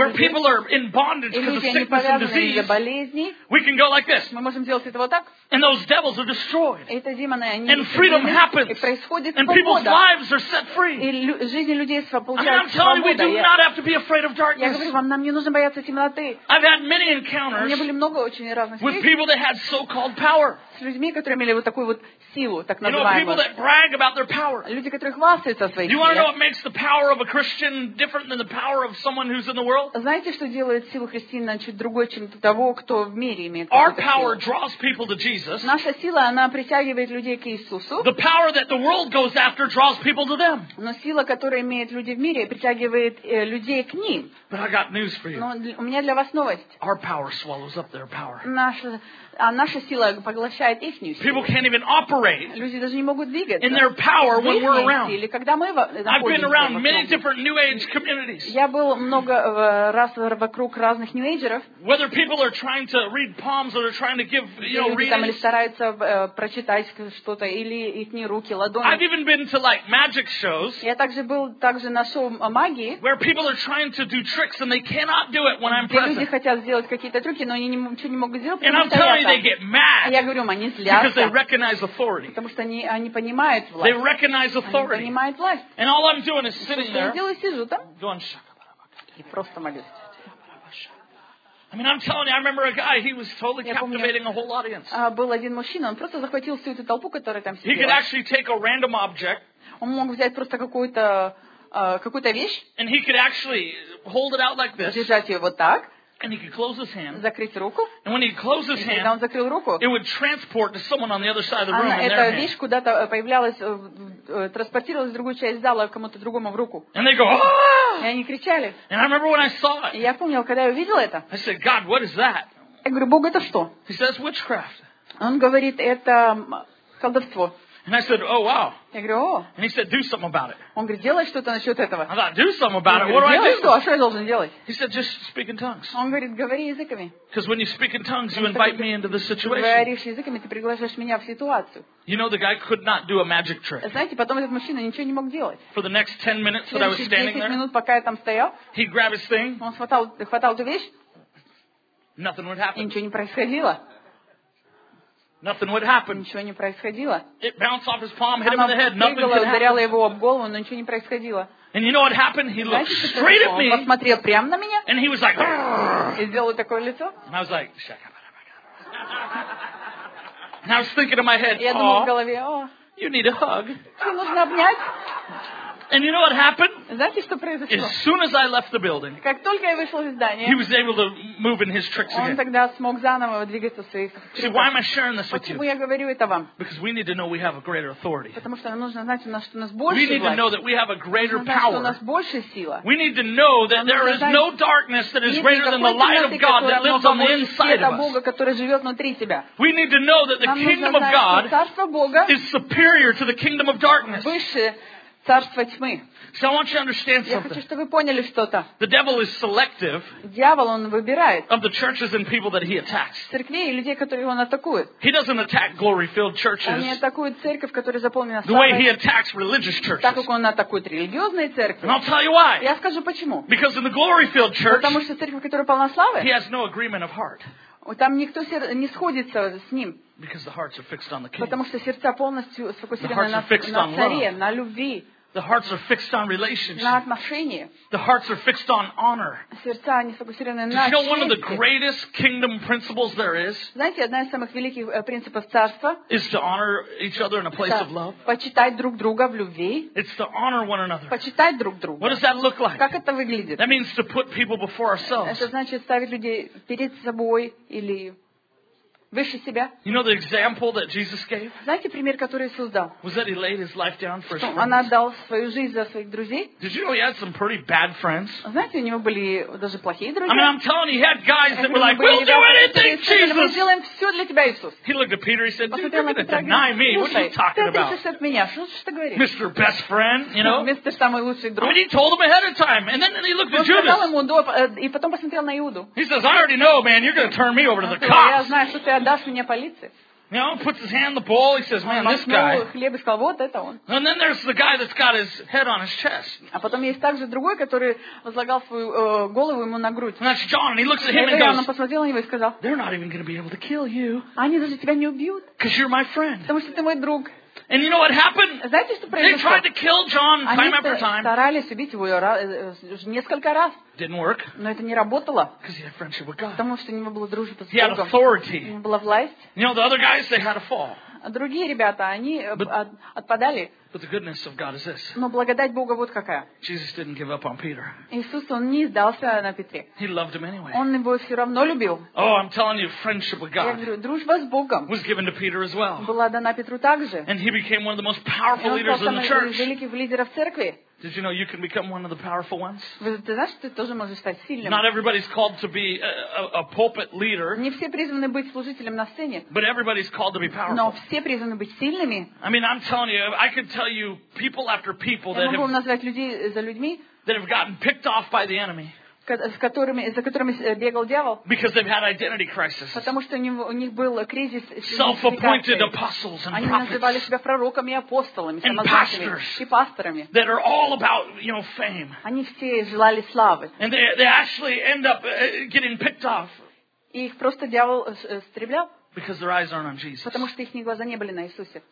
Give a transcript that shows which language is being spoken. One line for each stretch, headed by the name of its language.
English: where people are in bondage because of sickness and disease,
Russian: болезни,
English: we can go like this.
Russian: Мы можем сделать это вот так.
English: And those devils are destroyed.
Russian: Это демоны, они.
English: And freedom happens.
Russian: И происходит свобода.
English: And people's lives are set free.
Russian: И жизни людей получаются. Я говорю вам, нам не нужно бояться темноты.
English: I've had many encounters.
Russian: У меня были много очень разных встреч.
English: With people that had so-called power.
Russian: С людьми, которые имели вот такую вот силу, так называемую.
English: People that brag about their power.
Russian: Люди, которые хвастаются своей силой.
English: You want to know what makes the power of a Christian different than the power of someone who's in the world?
Russian: Знаете, что делает силу христианина чуть другой, чем того, кто в мире имеет?
English: Our power draws people to Jesus.
Russian: Наша сила, она притягивает людей к Иисусу.
English: The power that the world goes after draws people to them.
Russian: Но сила, которую имеют люди в мире, притягивает людей к ним.
English: But I got news for you.
Russian: Но у меня для вас новость.
English: Our power swallows up their power.
Russian: Наша сила поглощает их силу.
English: People can't even operate.
Russian: Люди даже не могут двигаться.
English: In their power when we're around.
Russian: Или когда мы находимся.
English: I've been around many different New Age communities.
Russian: Я был много раз вокруг разных New Age-еров.
English: Whether people are trying to read palms or they're trying to give, you know, readings.
Russian: Или стараются прочитать что-то или их руки, ладони.
English: I've even been to like magic shows.
Russian: Я также был на шоу магии.
English: Where people are trying to do tricks and they cannot do it when I'm present.
Russian: Люди хотят сделать какие-то трюки, но они ничего не могут сделать.
English: And I'm telling you, they get mad.
Russian: Я говорю, они злятся.
English: Because they recognize authority.
Russian: Потому что они понимают власть.
English: They recognize authority.
Russian: Они понимают власть.
English: And all I'm doing is sitting there.
Russian: Я делаю, сижу там.
English: Going,
Russian: и просто молюсь.
English: I mean, I'm telling you, I remember a guy. He was totally captivating a whole audience.
Russian: Был один мужчина. Он просто захватил всю эту толпу, которая там сидела.
English: He could actually take a random object.
Russian: Он мог взять просто какую-то вещь.
English: And he could actually hold it out like this.
Russian: Держать ее вот так.
English: And he could close his hand.
Russian: Закрыть руку.
English: And when he closed his hand,
Russian: когда он закрыл руку,
English: it would transport to someone on the other side of the room.
Russian: Эта вещь куда-то появлялась, транспортировалась в другую часть зала кому-то другому в руку.
English: And they go, ah!
Russian: И они кричали.
English: And I remember when I saw it.
Russian: Я помнил, когда я увидел это.
English: I said, God, what is that?
Russian: Я говорю, Бог, это что?
English: He says, witchcraft.
Russian: Он говорит, это колдовство.
English: And I said, oh wow.
Russian: Я говорю, о.
English: And he said, do something about it.
Russian: Он говорит, делай что-то насчет этого.
English: I thought, do something about it. What do I do?
Russian: А что я должен делать?
English: He said, just speak in tongues.
Russian: Он говорит, говори языками.
English: Because when you speak in tongues, you invite me into the situation.
Russian: Говоришь языками, ты приглашаешь меня в ситуацию.
English: You know, the guy could not do a magic trick.
Russian: Знаете, потом этот мужчина ничего не мог делать.
English: For the next 10 minutes that I was standing there.
Russian: 10 минут, пока я там стоял.
English: He grabbed his thing.
Russian: Он хватал эту вещь.
English: Nothing would happen.
Russian: И ничего не происходило.
English: Nothing would happen.
Russian: Ничего не происходило.
English: It bounced off his palm, hit him in the head. Nothing could happen.
Russian: Ударяло его об голову, но ничего не происходило.
English: And you know what happened? He looked straight at me.
Russian: Он посмотрел прямо на меня.
English: And he was like.
Russian: И сделал такое лицо.
English: And I was like, shut up. And I was thinking in my head.
Russian: Я думал в голове, о.
English: You need a hug.
Russian: Тебе нужно обнять.
English: And you know what happened?
Russian: Знаете, что произошло?
English: As soon as I left the building.
Russian: Как только я вышел из здания.
English: He was able to move in his tricks again.
Russian: Он тогда смог заново двигаться в своих трюках.
English: See, why am I sharing this with you?
Russian: Почему я говорю это вам?
English: Because we need to know we have a greater authority.
Russian: Потому что нам нужно знать, что у нас больше силы.
English: We need to know that we have a greater power.
Russian: У нас больше силы.
English: We need to know that there is no darkness that is greater than the light of God that lives on the inside of us.
Russian: Бога, который живет внутри тебя.
English: We need to know that the kingdom of God is superior to the kingdom of darkness.
Russian: Выше царство тьмы.
English: So I want you to understand something.
Russian: Я хочу, чтобы вы поняли что-то.
English: The devil is selective.
Russian: Дьявол, он выбирает.
English: Of the churches and people that he attacks.
Russian: Церквей и людей, которые он атакует.
English: He doesn't attack glory-filled churches.
Russian: Он не атакует церковь, которая заполнена славой.
English: The way he attacks religious churches.
Russian: Так как он атакует религиозные церкви.
English: And I'll tell you why.
Russian: Я скажу почему.
English: Because in the glory-filled church.
Russian: Потому что церковь, которая полна славы.
English: He has no agreement of heart.
Russian: Там никто не сходится с ним.
English: Because the hearts are fixed on the king.
Russian: Потому что сердца полностью сфокусированы на царе, на любви.
English: The hearts are fixed on relationships. The hearts are fixed on honor.
Russian: Сердца, они сфокусированы на чести.
English: Did you know one of the greatest kingdom principles there is?
Russian: Знаете, одна из самых великих принципов царства?
English: Is to honor each other in a place of love.
Russian: Почитать друг друга в любви.
English: It's to honor one another.
Russian: Почитать друг друга.
English: What does that look like?
Russian: Как это выглядит?
English: That means to put people before ourselves.
Russian: Это значит ставить людей перед собой или выше себя.
English: You know the example that Jesus gave?
Russian: Знаете пример, который Иисус дал?
English: Was that he laid his life down for his friends?
Russian: Он отдал свою жизнь за своих друзей?
English: Did you know he had some pretty bad friends?
Russian: Знаете, у него были даже плохие друзья?
English: I mean, I'm telling you, he had guys that were like, "We'll do anything, Jesus."
Russian: Мы сделаем все для тебя, Иисус.
English: He looked at Peter, he said, "Dude, you're going to deny me? What are you talking about?"
Russian: Ты отрицаешь от меня? Что ты говоришь?
English: Mr. Best Friend, you know?
Russian: Мистер самый лучший друг.
English: I mean, he told him ahead of time, and then he looked at Judas.
Russian: Он сказал ему до, и потом посмотрел на Иуду.
English: He says, "I already know, man. You're going to turn me over to the cops."
Russian: Дашь меня полиции?
English: You know, puts his hand in the bowl. He says, "Man, this guy."
Russian: Хлеб и сказал, вот это он.
English: And then there's the guy that's got his head on his chest.
Russian: А потом есть также другой, который возлагал свою голову ему на грудь.
English: And that's John. And he looks at him and goes.
Russian: Он посмотрел на него и сказал.
English: They're not even going to be able to kill you.
Russian: Они даже тебя не убьют.
English: Because you're my friend.
Russian: Потому что ты мой друг.
English: And you know what happened?
Russian: Знаете, что произошло?
English: They tried to kill John time after time.
Russian: Они старались убить его несколько раз.
English: Didn't work.
Russian: Но это не работало.
English: Because he had friendship with God.
Russian: Потому что у него была дружба с Богом.
English: He had authority.
Russian: У него была власть.
English: You know, the other guys, they had a fall.
Russian: Другие ребята, они отпадали.
English: But the goodness of God is this.
Russian: Но благодать Бога вот какая.
English: Jesus didn't give up on Peter.
Russian: Иисус он не сдался на Петре.
English: He loved him anyway.
Russian: Он его все равно любил.
English: Oh, I'm telling you, friendship with God.
Russian: Я говорю, дружба с Богом.
English: Was given to Peter as well.
Russian: Была дана Петру также.
English: And he became one of the most powerful leaders in the church.
Russian: Он стал великим лидером в церкви.
English: Did you know you can become one of the powerful ones?
Russian: Вы знаешь, ты тоже можешь стать сильным.
English: Not everybody's called to be a pulpit leader.
Russian: Не все призваны быть служителем на сцене.
English: But everybody's called to be powerful.
Russian: Но все призваны быть сильными.
English: I mean, I'm telling you, I can tell you people after people that have.
Russian: Я могу назвать людей за людьми.
English: That have gotten picked off by the enemy.
Russian: За которыми бегал дьявол. Because they've had identity crisis. Потому что у них был кризис. Self-appointed apostles and prophets. Они называли себя пророками и апостолами. And pastors. И пасторами. That are all about, you know, fame. Они все желали славы. And they actually end up getting picked off. И их просто дьявол истреблял. Because their eyes aren't on Jesus. Потому что их глаза не были на Иисусе.